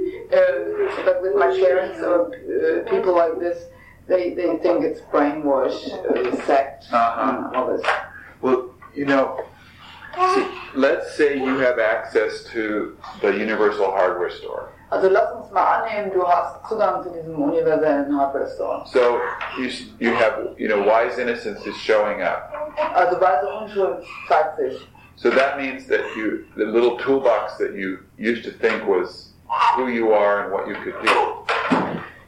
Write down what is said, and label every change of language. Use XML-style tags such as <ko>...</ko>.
<en>But with my parents or people like this, they think it's brainwash, sect, and all this. Well, you know, see, let's say you have access to the Universal Hardware Store.</en> <de>Also lass uns mal annehmen, du hast Zugang zu diesem universellen Hardware Store.</de> <en>So you have, you know, Wise Innocence is showing up.</en> <de>Also Wise Unschuld zeigt sich.</de> <en>So that means that you, the little toolbox that you used to think was who you are and what you could do.</en>